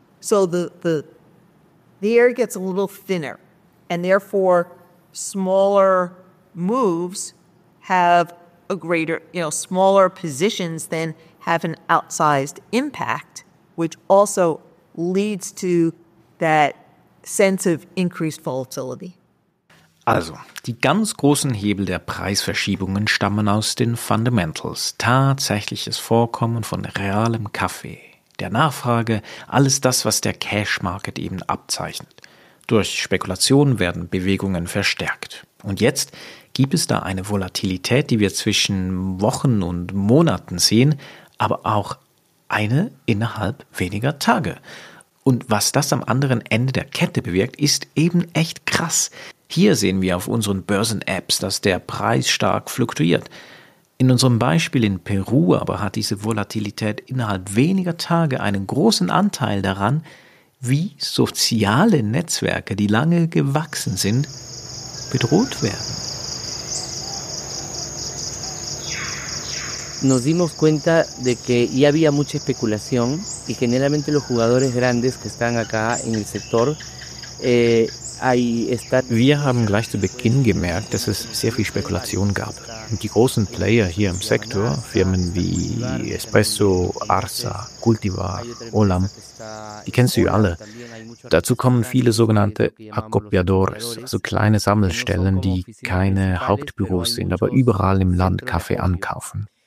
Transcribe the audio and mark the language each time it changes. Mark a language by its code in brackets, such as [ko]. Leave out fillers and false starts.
[en] So the air gets a little thinner, and therefore smaller moves have a greater, you know, smaller positions then have an outsized impact, which also leads to that sense of increased volatility. [de] Also, die ganz großen Hebel der Preisverschiebungen stammen aus den Fundamentals, tatsächliches Vorkommen von realem Kaffee. der Nachfrage, alles das, was der Cash-Market eben abzeichnet. Durch Spekulation werden Bewegungen verstärkt. Und jetzt gibt es da eine Volatilität, die wir zwischen Wochen und Monaten sehen, aber auch eine innerhalb weniger Tage. Und was das am anderen Ende der Kette bewirkt, ist eben echt krass. Hier sehen wir auf unseren Börsen-Apps, dass der Preis stark fluktuiert. In unserem Beispiel in Peru aber hat diese Volatilität innerhalb weniger Tage einen großen Anteil daran, wie soziale Netzwerke, die lange gewachsen sind, bedroht werden. [es] Nos dimos cuenta de que ya había mucha especulación y generalmente los jugadores grandes que están acá en el sector [de] Wir haben gleich zu Beginn gemerkt, dass es sehr viel Spekulation gab. Und die großen Player hier im Sektor, Firmen wie Espresso, Arsa, Cultivar, Olam, die kennst du ja alle. Dazu kommen viele sogenannte Acopiadores, also kleine Sammelstellen, die keine Hauptbüros sind, aber überall im Land Kaffee ankaufen.